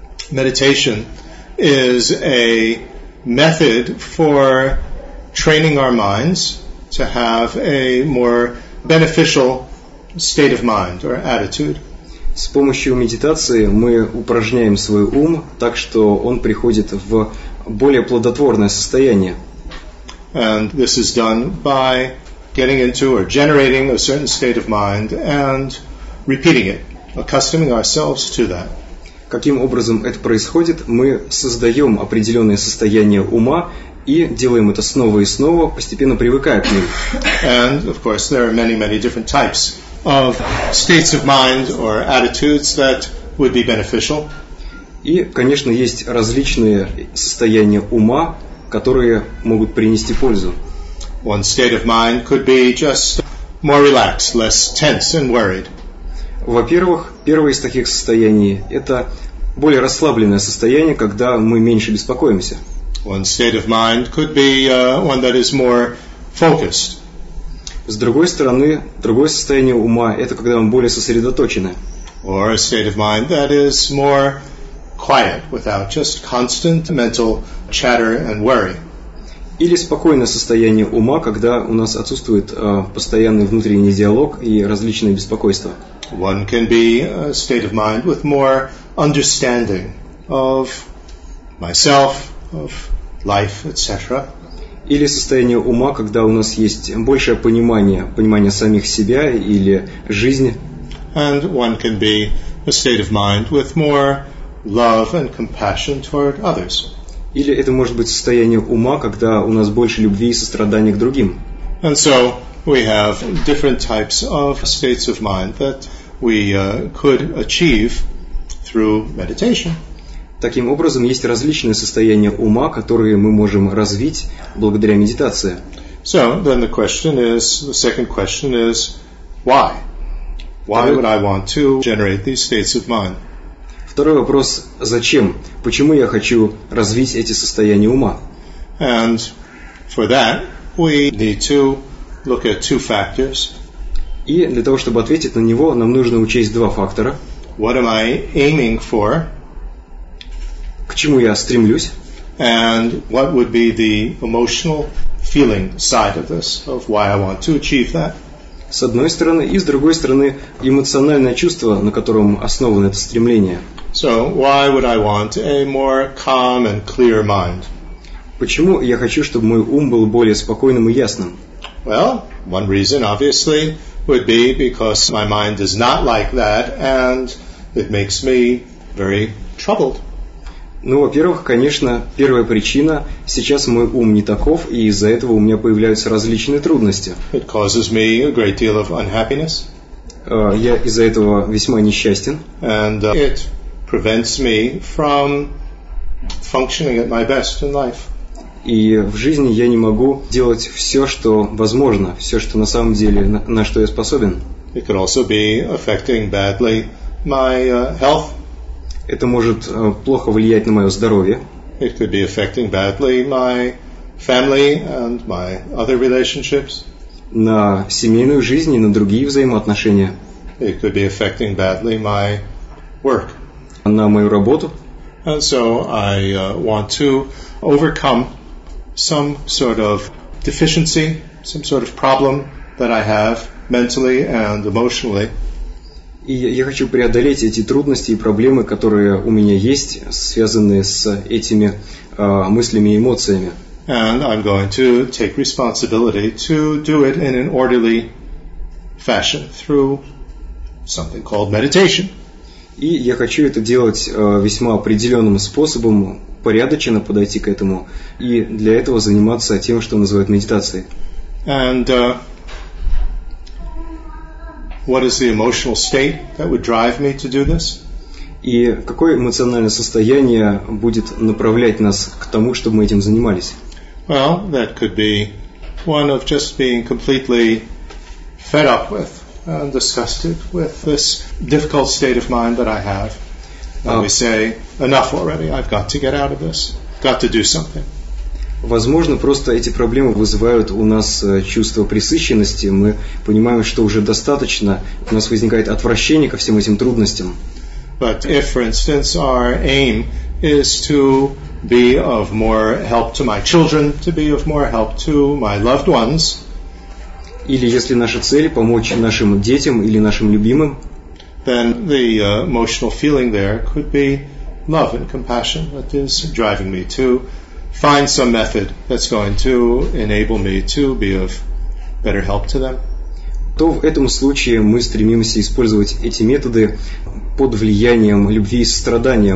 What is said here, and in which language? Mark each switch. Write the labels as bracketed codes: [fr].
[en] Meditation is a method for training our minds to have a more beneficial state of mind or attitude. [ru] С помощью медитации мы упражняем свой ум так, что он приходит в более плодотворное состояние. [en] And this is done by getting into or generating a certain state of mind and repeating it, accustoming ourselves to that. [ru] Каким образом это происходит? Мы создаем определенное состояние ума и делаем это снова и снова, постепенно привыкая к ним. [en] And of course, there are many, many different types of states of mind or attitudes that would be beneficial. [ru] И, конечно, есть различные состояния ума, которые могут принести пользу. [en] One state of mind could be just more relaxed, less tense and worried. [ru] Во-первых, первое из таких состояний – это более расслабленное состояние, когда мы меньше беспокоимся. [en] One state of mind could be one that is more focused. [ru] С другой стороны, другое состояние ума – это когда мы более сосредоточены. [en] Or a state of mind that is more quiet, without just constant mental chatter and worry. [ru] Или спокойное состояние ума, когда у нас отсутствует постоянный внутренний диалог и различные беспокойства. [en] One can be a state of mind with more understanding of myself, of life, etc. [ru] Или состояние ума, когда у нас есть большее понимание, понимание самих себя или жизни. [en] And one can be a state of mind with more love and compassion toward others. [ru] Или это может быть состояние ума, когда у нас больше любви и сострадания к другим. [en] And so we have different types of states of mind that we could achieve through meditation. [ru] Таким образом, есть различные состояния ума, которые мы можем развить благодаря медитации. [en] So then the question is, the second question is, why? Why would I want to generate these states of mind? [ru] Второй вопрос – зачем? Почему я хочу развить эти состояния ума? [en] And for that, we need to look at two factors. [ru] И для того, чтобы ответить на него, нам нужно учесть два фактора. [en] What am I aiming for? [ru] К чему я стремлюсь? [en] And what would be the emotional feeling side of this, of why I want to achieve that? [ru] С одной стороны, и с другой стороны, эмоциональное чувство, на котором основано это стремление. [en] So, why would I want a more calm and clear mind? [ru] Почему я хочу, чтобы мой ум был более спокойным и ясным? [en] Well, one reason, obviously, would be because my mind is not like that, and it makes me very troubled. [ru] Ну, во-первых, конечно, первая причина – сейчас мой ум не таков, и из-за этого у меня появляются различные трудности. [en] It causes me a great deal of unhappiness. [ru] Я из-за этого весьма несчастен. [en] And it prevents me from functioning at my best in life. [ru] И в жизни я не могу делать все, что возможно, все, что на самом деле, на что я способен. [en] It could also be affecting badly my health. [ru] Это может плохо влиять на мое здоровье. [en] It could be affecting badly my family and my other relationships. [ru] На семейную жизнь и на другие взаимоотношения. [en] It could be affecting badly my work. [ru] На мою работу. [en] And so I want to overcome some sort of deficiency, some sort of problem that I have mentally and emotionally. [ru] И я хочу преодолеть эти трудности и проблемы, которые у меня есть, связанные с этими мыслями и эмоциями. [en] And I'm going to take responsibility to do it in an orderly fashion through something called meditation. [ru] И я хочу это делать весьма определенным способом, порядочно подойти к этому, и для этого заниматься тем, что называют медитацией. [en] And what is the emotional state that would drive me to do this? [ru] И какое эмоциональное состояние будет направлять нас к тому, чтобы мы этим занимались? [en] Well, that could be one of just being completely fed up with and disgusted with this difficult state of mind that I have. And we say, enough already, I've got to get out of this, got to do something. [ru] Возможно, просто эти проблемы вызывают у нас чувство пресыщенности. Мы понимаем, что уже достаточно. У нас возникает отвращение ко всем этим трудностям. [en] But if, for instance, our aim is to be of more help to my children, to be of more help to my loved ones. [ru] Или если наша цель помочь нашим детям или нашим любимым, [en] then the emotional feeling there could be love and compassion that is driving me to find some method that's going to enable me to be of better help to them. [ru] То в этом случае мы стремимся использовать эти методы под влиянием любви и сострадания.